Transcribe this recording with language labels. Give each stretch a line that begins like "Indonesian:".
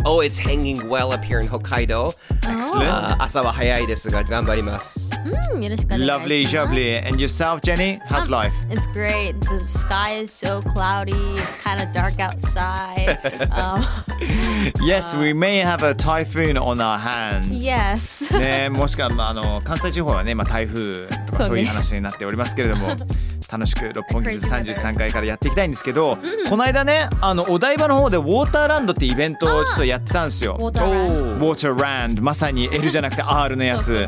English: Oh, it's hanging well up here in Hokkaido. Excellent.
Japanese: 朝は早いですが、頑張ります。
English: Lovely, jubbly. And yourself, Jenny? How's life? It's great. The sky is so cloudy. It's kind of dark outside. Yes, we may have a typhoon on our hands. Yes.
Japanese: ね、もしくは、関西地方はね、台風とかそういう話になっておりますけれども、楽しく六本木33階からやっていきたいんですけど、この間ね、お台場の方でウォーターランドってイベントをちょっとやってたんですよ。ウォーターランド、まさに L じゃなくて R のやつ。